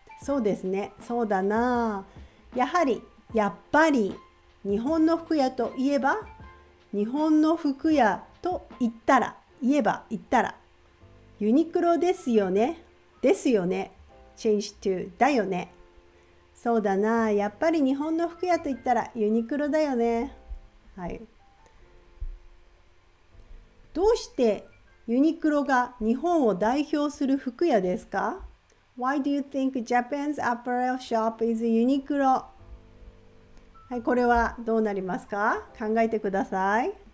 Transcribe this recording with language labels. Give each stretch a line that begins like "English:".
Japanese: そうですね、そうだな、やはり、やっぱり日本の服屋といえば、日本の服屋と言ったら、言えば言ったらユニクロですよね、ですよね、
English: change to
Japanese: だよね。そうだな、やっぱり日本の服屋と言ったらユニクロだよね。はい、どうしてユニクロが日本を代表する服屋ですか？
English: Why do you think Japan's apparel shop is Uniqlo?
Japanese: はい、これはどうなりますか？考えてください。